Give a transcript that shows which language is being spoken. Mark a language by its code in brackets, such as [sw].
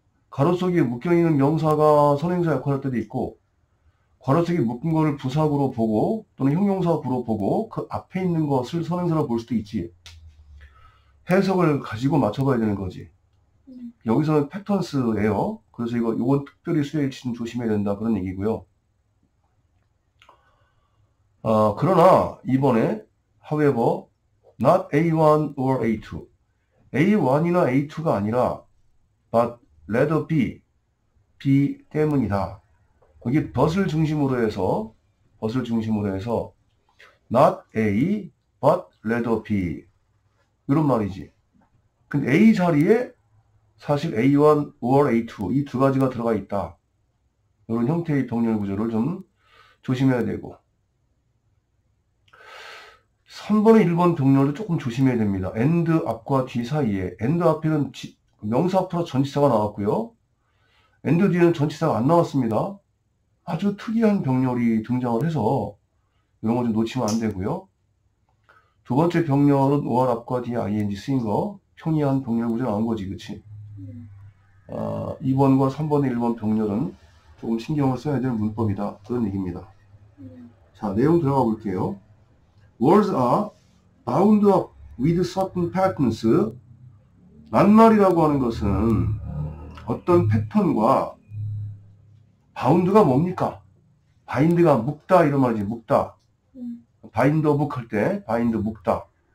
[ko] 가로 속에 묶여 있는 명사가 선행사 역할할 때도 있고 괄호 속에 묶은 거를 부사구로 보고 또는 형용사구로 보고 그 앞에 있는 것을 선행사로 볼 수도 있지. 해석을 가지고 맞춰봐야 되는 거지. 여기서는 패턴스예요. 그래서 이거 요건 특별히 수요일 치는 조심해야 된다 그런 얘기고요. 아, 그러나 이번에 [en] however not A1 or A2. [ko] A1이나 A2가 아니라 [en] but rather B [ko] 때문이다. 여기 but을 중심으로 해서 but을 중심으로 해서 [en] not A but rather B [ko] 이런 말이지. 근데 A 자리에 사실 A1 or A2 이두 가지가 들어가 있다. 이런 형태의 병렬 구조를 좀 조심해야 되고 3번에 1번 병렬도 조금 조심해야 됩니다. AND 앞과 뒤 사이에 AND 앞에는 명사 플러스 전치사가 나왔고요. AND 뒤에는 전치사가 안 나왔습니다. 아주 특이한 병렬이 등장을 해서 이런 거좀 놓치면 안 되고요. 두 번째 병렬은 OR 앞과 뒤에 ING 쓰인 거 평이한 병렬 구조 나온 거지, 그치? 아, 2번과 3번의 1번 병렬은 조금 신경을 써야 될 문법이다. 그런 얘기입니다. 자, 내용 들어가 볼게요. [en] Words are bound up with certain patterns. [ko] 낱말이라고 하는 것은 어떤 패턴과 바운드가 뭡니까? 바인드가 묶다 이런 말이지. 묶다. 바인드 오브 할때 바인드 묶다.